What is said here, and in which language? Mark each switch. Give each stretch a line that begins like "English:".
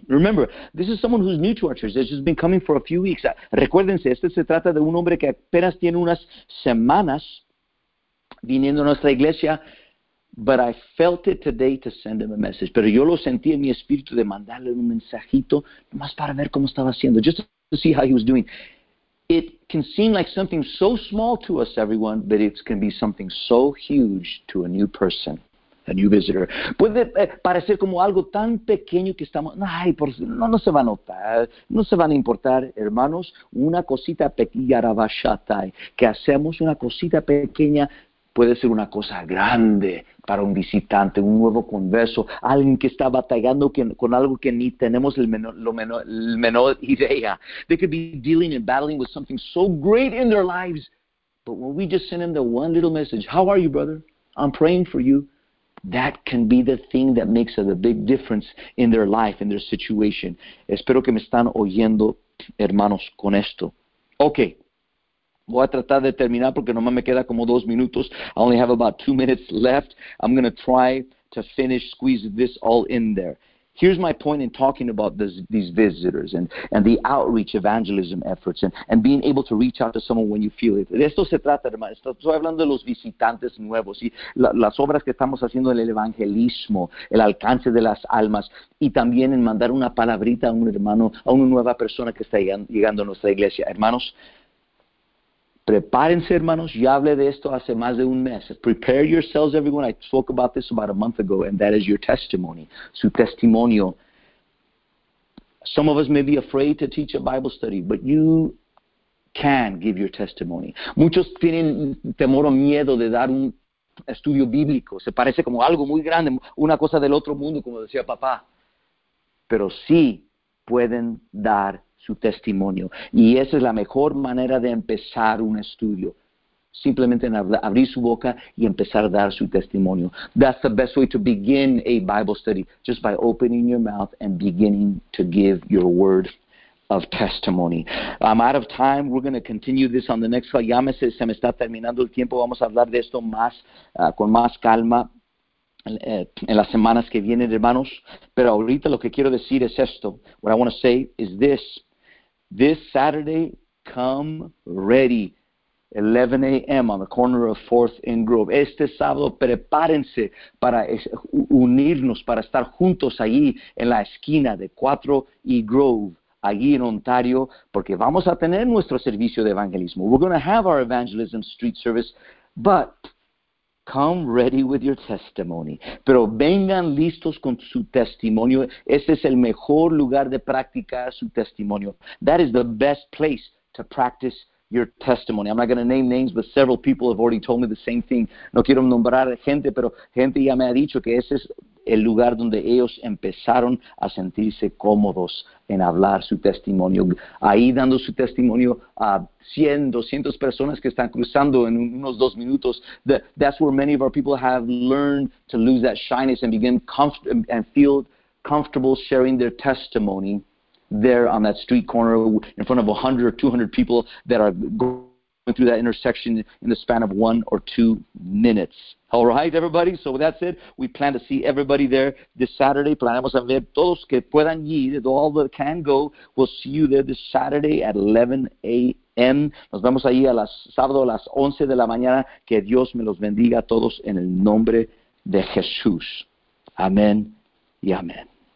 English: Remember, this is someone who's new to our church. They've just been coming for a few weeks.
Spanish: Recuérdense, este se trata de un hombre que apenas tiene unas semanas viniendo a nuestra iglesia.
English: But I felt it today to send him a message.
Spanish: Pero yo lo sentí en mi espíritu de mandarle un mensajito, nomás para ver cómo estaba haciendo,
English: just to see how he was doing. It can seem like something so small to us, everyone, but it can be something so huge to a new person. A new visitor.
Spanish: Puede parecer como algo tan pequeño que estamos, ay, por, no, no se va a notar, no se van a importar, hermanos, una cosita pequeña que hacemos, una cosita pequeña, puede ser una cosa grande para un visitante, un nuevo converso, alguien que está batallando con algo que ni tenemos el menor idea.
English: They could be dealing and battling with something so great in their lives, But when we just send him the one little message, how are you, brother? I'm praying for you. That can be the thing that makes a big difference in their life, in their situation.
Spanish: Espero que me están oyendo, hermanos, con esto. Okay. Voy a tratar de terminar porque nomás me queda como dos minutos.
English: I only have about 2 minutes left. I'm going to try to finish, squeeze this all in there. Here's my point in talking about these visitors and the outreach evangelism efforts and being able to reach out to someone when you feel it.
Spanish: De esto se trata, hermano. Estoy hablando de los visitantes nuevos y las obras que estamos haciendo en el evangelismo, el alcance de las almas y también en mandar una palabrita a un hermano, a una nueva persona que está llegando a nuestra iglesia. Hermanos, prepárense, hermanos. Ya hablé de esto hace más de un mes.
English: Prepare yourselves, everyone. I spoke about this about a month ago, and that is your testimony.
Spanish: Su testimonio.
English: Some of us may be afraid to teach a Bible study, but you can give your testimony.
Spanish: Muchos tienen temor o miedo de dar un estudio bíblico. Se parece como algo muy grande, una cosa del otro mundo, como decía papá. Pero sí pueden dar su testimonio. Y esa es la mejor manera de empezar un estudio. Simplemente en abrir su boca y empezar a dar su testimonio.
English: That's the best way to begin a Bible study. Just by opening your mouth and beginning to give your word of testimony. I'm out of time. We're going to continue this on the next slide.
Spanish: Ya se me está terminando el tiempo. Vamos a hablar de esto más con más calma en las semanas que vienen, hermanos. Pero ahorita lo que quiero decir es esto.
English: What I want to say is this. This Saturday, come ready, 11 a.m. on the corner of 4th and Grove.
Spanish: Este sábado, prepárense para unirnos, para estar juntos allí en la esquina de 4 y Grove, allí en Ontario, porque vamos a tener nuestro servicio de evangelismo.
English: We're going to have our evangelism street service, but come ready with your testimony.
Spanish: Pero vengan listos con su testimonio. Este es el mejor lugar de practicar su testimonio.
English: That is the best place to practice your testimony. I'm not going to name names, but several people have already told me the same thing.
Spanish: No quiero nombrar gente, pero gente ya me ha dicho que ese es el lugar donde ellos empezaron a sentirse cómodos en hablar su testimonio. Ahí dando su testimonio a 100, 200 personas que están cruzando en unos dos minutos.
English: That's where many of our people have learned to lose that shyness and begin and feel comfortable sharing their testimony there on that street corner in front of 100 or 200 people that are going through that intersection in the span of 1 or 2 minutes. All right, everybody, so that's it. We plan to see everybody there this Saturday.
Spanish: Planamos a ver todos que puedan ir,
English: all that can go. We'll see you there this Saturday at 11 a.m.
Spanish: Nos vemos ahí a las sábado a las 11 de la mañana. Que Dios me los bendiga a todos en el nombre de Jesús. Amén y amén.